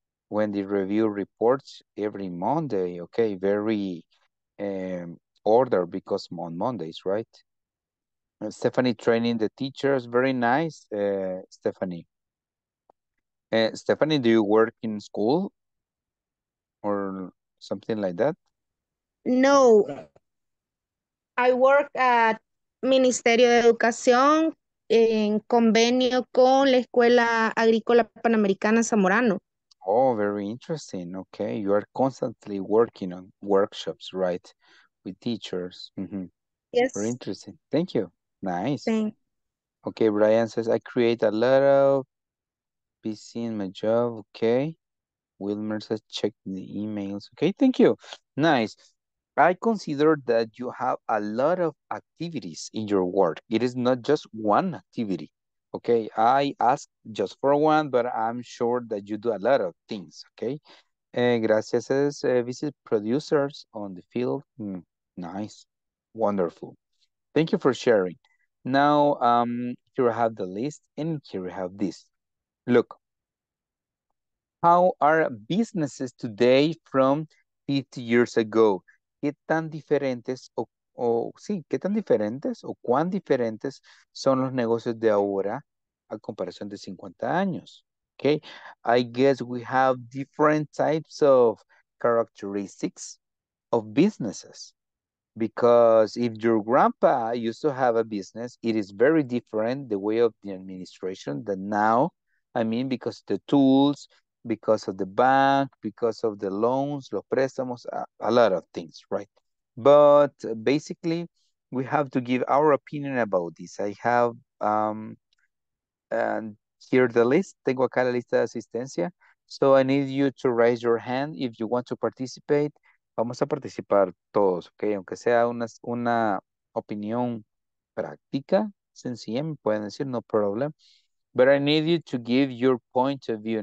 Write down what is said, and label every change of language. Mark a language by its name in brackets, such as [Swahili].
[English] Wendy, review reports every Monday. Okay, very order because on Mondays, right? Stephanie, training the teachers. Very nice, Stephanie. Stephanie, do you work in school or something like that? No. I work at [Spanish] Ministerio de Educación en convenio con la Escuela Agrícola Panamericana Zamorano. [English] Oh, very interesting. Okay, you are constantly working on workshops, right? With teachers. Mm-hmm. Yes. Very interesting. Thank you. Nice. Thanks. Okay, Brian says, I create a lot of busy in my job. Okay. Wilmer says, check the emails. Okay, thank you. Nice. I consider that you have a lot of activities in your work. It is not just one activity. Okay, I ask just for one, but I'm sure that you do a lot of things, okay? [Spanish] Gracias, [English] visit producers on the field. Nice, wonderful. Thank you for sharing. Now, here we have the list, and here we have this. Look, how are businesses today from 50 years ago? [Spanish] ¿Qué tan diferentes o sí, qué tan diferentes o cuán diferentes son los negocios de ahora a comparación de 50 años? [English] Okay, I guess we have different types of characteristics of businesses. Because if your grandpa used to have a business, it is very different the way of the administration than now. I mean, because the tools, because of the bank, because of the loans, [Spanish] los préstamos, [English] a lot of things, right? But basically, we have to give our opinion about this. I have and here the list. [Spanish] Tengo acá la lista de asistencia. [English] So I need you to raise your hand if you want to participate. [Spanish] Vamos a participar todos, okay? Aunque sea una opinión práctica, sencilla, me pueden decir, [English] no problem. But I need you to give your point of view.